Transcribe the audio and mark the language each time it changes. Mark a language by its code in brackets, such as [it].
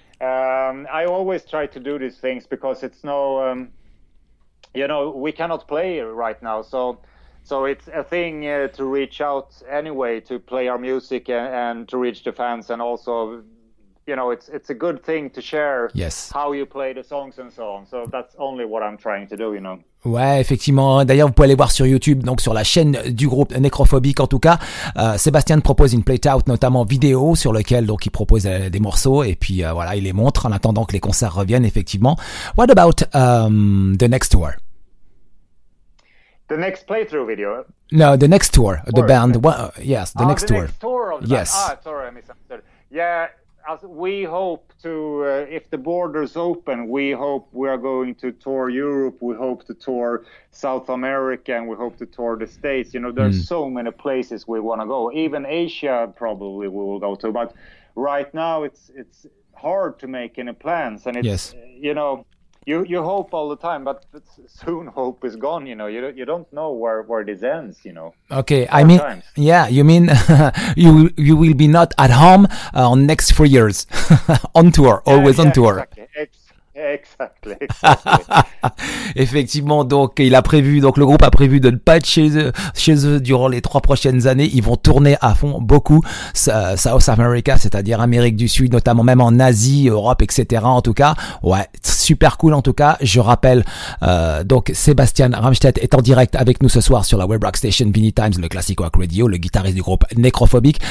[en] I always try to do these things because it's no, you know, we cannot play right now, so it's a thing to reach out anyway to play our music and to reach the fans, and also, you know, it's a good thing to share how you play the songs and so on. So that's only what I'm trying to do, you know. [fr] Ouais, effectivement. D'ailleurs, vous pouvez aller voir sur YouTube, donc sur la chaîne du groupe Necrophobic en tout cas. Sébastien propose une playout, notamment vidéo, sur lequel donc il propose des morceaux et puis voilà, il les montre en attendant que les concerts reviennent. Effectivement. [en] What about the next tour? The next playthrough video? No, the next tour, the or band. Yes, the next tour. The next tour of the yes. Band. Ah, sorry, I misunderstood. Yeah, as we hope to, if the borders open, we hope we are going to tour Europe, we hope to tour South America, and we hope to tour the States. You know, there's so many places we want to go. Even Asia, probably, we will go to. But right now, it's hard to make any plans. And it's, yes. You know, you hope all the time, but soon hope is gone, you know. You don't know where this ends, you know. Okay, I mean, yeah, you mean you will be not at home on next 3 years. On tour, always on tour. Exactly. [fr] Effectivement, donc il a prévu, donc le groupe a prévu de ne pas être chez eux durant les 3 prochaines années. Ils vont tourner à fond, beaucoup South America, c'est-à-dire Amérique du Sud, notamment même en Asie, Europe, etc. En tout cas, ouais, super cool. En tout cas, je rappelle donc Sébastien Ramstedt est en direct avec nous ce soir sur la Web Rock Station Vinny Times, le Classic Rock Radio, le guitariste du groupe Necrophobic.